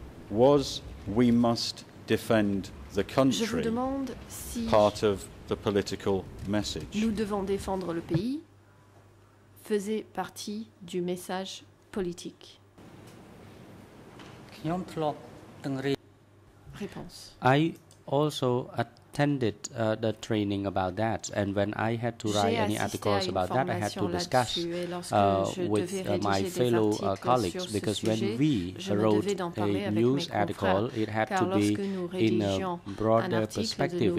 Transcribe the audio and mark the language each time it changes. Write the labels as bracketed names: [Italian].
[English] was "we must defend the country" part of the political message? [French] Nous devons défendre le pays faisait partie du message politique. Réponse. [English] I also attended the training about that, and when I had to write any articles about that, I had to discuss with my fellow colleagues, because when we wrote a news article, it had to be in a broader perspective.